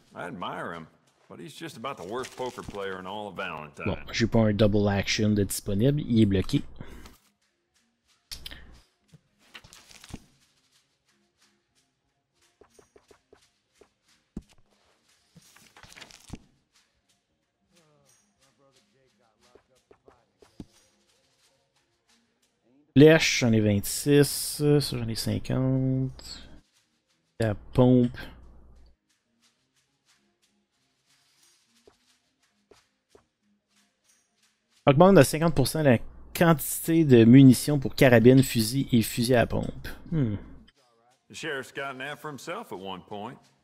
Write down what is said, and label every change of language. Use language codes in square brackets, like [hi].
[en] I admire him, but he's just about the worst poker player in all of Valentine. [fr] Bon, j'ai pas un double action de disponible. Il est bloqué. flèche, j'en ai 26, ça j'en ai 50. La pompe. Augmente de 50% la quantité de munitions pour carabines, fusils et fusils à pompe. [en] The sheriff's got an app for himself at one point.